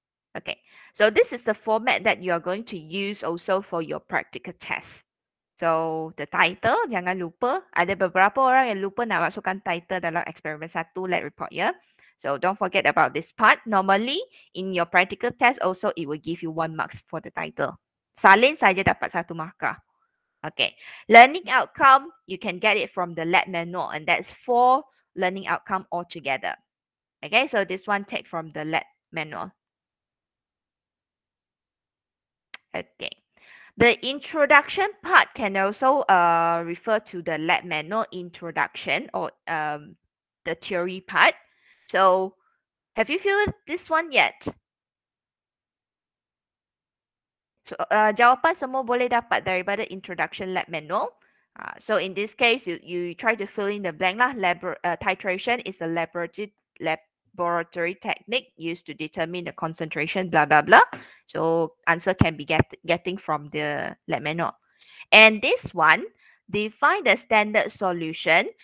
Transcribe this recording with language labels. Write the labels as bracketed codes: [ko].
[en] Okay, so this is the format that you are going to use also for your practical test. So the title, [ms] jangan lupa. Ada beberapa orang yang lupa nak masukkan title dalam experiment 1 lab report, yeah? [en] So don't forget about this part. Normally, in your practical test also, it will give you 1 mark for the title. [ms] Salin saja dapat 1 markah. [en] Okay, learning outcome, you can get it from the lab manual, and that's 4 learning outcome altogether. Okay, so this one take from the lab manual. Okay, the introduction part can also refer to the lab manual introduction or the theory part. So have you filled this one yet? [ms] So, jawapan semua boleh dapat daripada introduction lab manual. [en] So in this case, you try to fill in the blank lah. Titration is a laboratory technique used to determine the concentration, blah, blah, blah. So answer can be getting from the lab manual. And this one, define the standard solution.